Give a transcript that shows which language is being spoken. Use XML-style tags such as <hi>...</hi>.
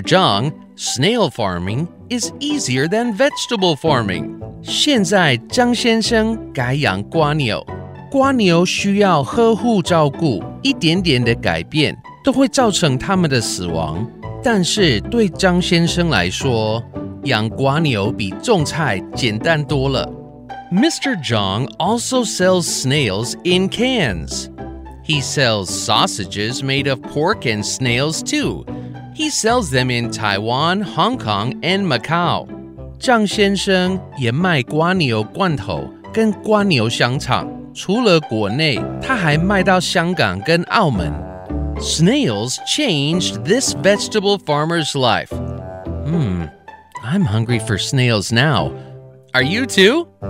<en>Zhang, snail farming is easier than vegetable farming.</en> <zh>现在张先生改养蝸牛。蝸牛需要呵护照顾，一点点的改变都会造成他们的死亡。但是对张先生来说，养蝸牛比种菜简单多了。</zh> <en>Mr. Zhang also sells snails in cans. He sells sausages made of pork and snails too. He sells them in Taiwan, Hong Kong, and Macau.</en> <zh>张先生也卖蝸牛罐头跟蝸牛香肠。除了国内，他还卖到香港跟澳门。</zh> <en>Snails changed this vegetable farmer's life. I'm hungry for snails now. Are you too?</en>